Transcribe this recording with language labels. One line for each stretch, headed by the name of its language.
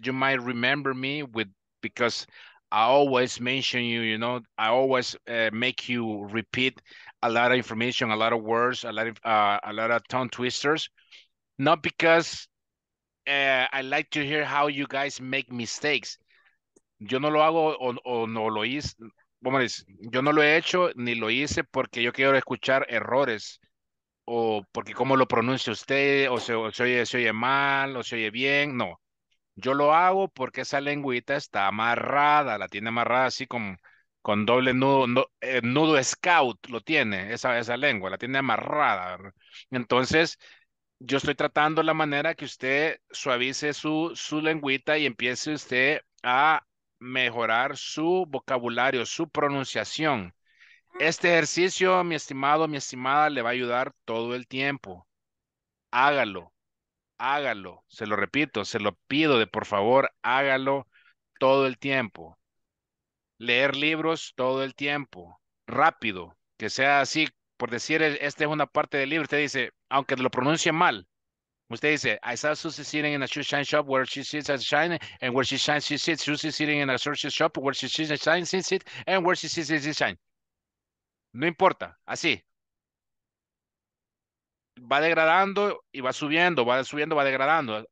English: You might remember me with because I always mention you, you know, I always make you repeat a lot of information, a lot of words, a lot of tongue twisters. Not because I like to hear how you guys make mistakes.
Spanish: Yo no lo hago o no lo hice. ¿Cómo dice? Yo no lo he hecho ni lo hice porque yo quiero escuchar errores o porque cómo lo pronuncia usted o se oye mal o se oye bien. No. Yo lo hago porque esa lengüita está amarrada, la tiene amarrada así con doble nudo, nudo scout lo tiene, esa lengua, la tiene amarrada. Entonces, yo estoy tratando la manera que usted suavice su lengüita y empiece usted a mejorar su vocabulario, su pronunciación. Este ejercicio, mi estimado, mi estimada, le va a ayudar todo el tiempo. Hágalo, hágalo. Se lo repito, se lo pido de por favor, hágalo todo el tiempo. Leer libros todo el tiempo. Rápido, que sea así. Por decir, esta es una parte del libro. Usted dice, aunque lo pronuncie mal. Usted dice,
English: I saw Susie sitting in a shoe shine shop where she sits and shines. And where she shines, she sits. Susie sitting in a shoe shop where she sits and shines, she sits. And where she sits, she shines.
Spanish: No importa. Así. Va degradando y va subiendo. Va subiendo, va degradando.